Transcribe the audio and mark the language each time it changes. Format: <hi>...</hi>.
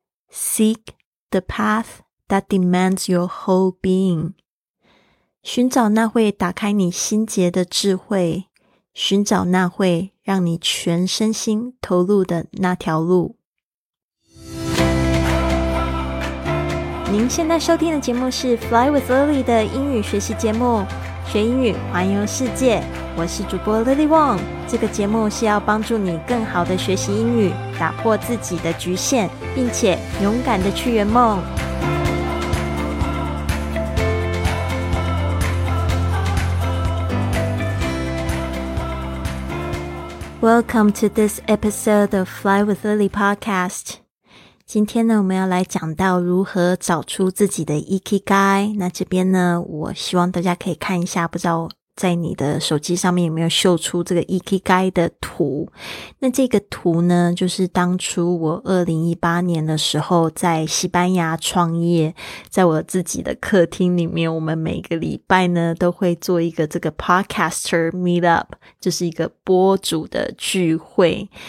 <en>Seek the path that demands your whole being.</en> <zh>寻找那会打开你心结的智慧，寻找那会让你全身心投入的那条路。您现在收听的节目是 Fly with Lily 的英语学习节目，学英语环游世界。我是主播 Lily Wong， 这个节目是要帮助你更好的学习英语，打破自己的局限，并且勇敢的去圆梦。</zh> <en>Welcome to this episode of Fly with Lily podcast.</en> <zh>今天呢，我们要来讲到如何找出自己的 Ikigai。那这边呢，我希望大家可以看一下，不知道在你的手机上面有没有秀出这个 Ikigai 的图。那这个图呢，就是当初我2018年的时候在西班牙创业，在我自己的客厅里面，我们每个礼拜呢都会做一个这个 Podcaster Meetup， 就是一个播主的聚会。</zh>